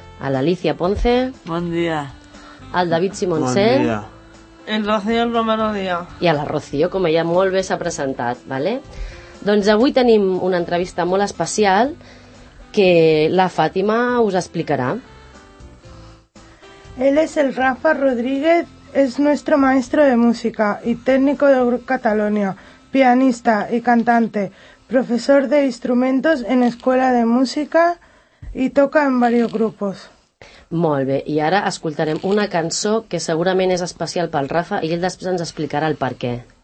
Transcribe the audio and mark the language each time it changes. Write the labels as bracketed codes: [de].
[ca] A l'Alicia Ponce. Bon dia. Al David Simonsen. Bon dia. El Rocío Romero Díaz. I a la Rocío, com ella molt bé s'ha presentat, vale? Doncs avui tenim una entrevista molt especial que la Fàtima us explicarà. [es] Él es el Rafa Rodríguez, es nuestro maestro de música y técnico de Grup Catalunya, pianista y cantante, profesor de instrumentos en escuela de música y toca en varios grupos. [ca] Molt bé, i ara escoltarem una cançó que segurament és especial pel Rafa i ell després ens explicarà el per què.